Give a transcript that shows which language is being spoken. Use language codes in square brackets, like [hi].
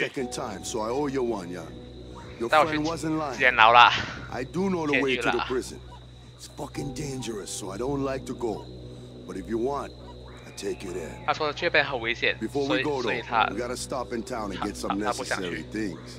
[en] You saved my life for the second time, so I owe you one, yeah. Your friend wasn't lying. [zh] 监牢啦。 [en] I do know the way to the prison. It's fucking dangerous, so I don't like to go. But if you want. [zh] 他说这边很危险，所以他 [en] we gotta stop in town and get some necessary things.